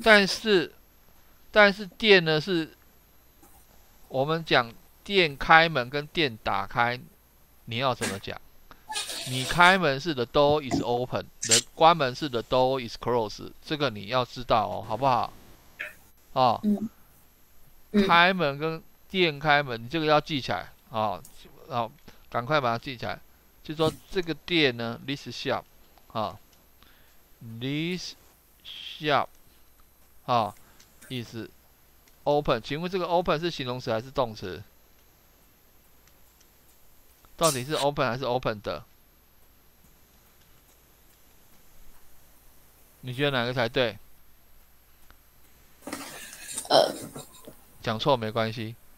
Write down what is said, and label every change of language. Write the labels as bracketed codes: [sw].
[zh] 但是电呢是，我们讲电开门跟电打开，你要怎么讲？你开门是 [en] the door is open， [zh] 关门是 [en] the door is closed， [zh] 这个你要知道哦，好不好？哦，嗯，开门跟电开门，这个要记起来啊，好，赶快把它记起来。就说这个店呢 ， [en] this shop [zh] 啊 ，this shop 啊 ， [en] is open。 [zh] 请问这个 open 是形容词还是动词？到底是 open 还是 opened 的？你觉得哪个才对？讲错没关系。